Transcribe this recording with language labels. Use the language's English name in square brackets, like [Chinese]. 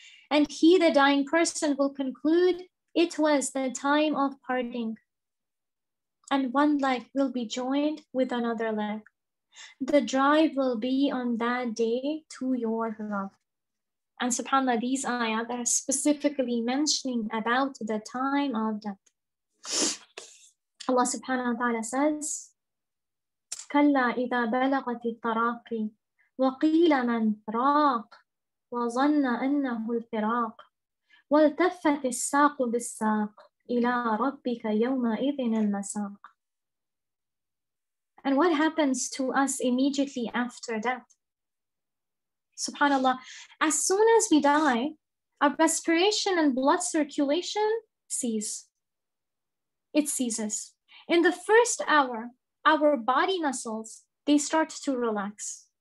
[English] And he, the dying person, will conclude, it was the time of parting. And one leg will be joined with another leg. The drive will be on that day to your love. And subhanAllah, these ayah are specifically mentioning about the time of death. Allah subhanahu wa ta'ala says, [Arabic] كَلَّا إِذَا بَلَغَتِ التَّرَاقِ وَقِيلَ مَنْ رَاقِ وَظَنَّ أَنَّهُ الْفِرَاقِ وَالْتَفَّتِ السَّاقُ بِالسَّاقِ إِلَىٰ رَبِّكَ يَوْمَئِذٍ الْمَسَاقِ. [English] And what happens to us immediately after death? SubhanAllah, as soon as we die, our respiration and blood circulation cease. It ceases. In the first hour, our body muscles, they start to relax.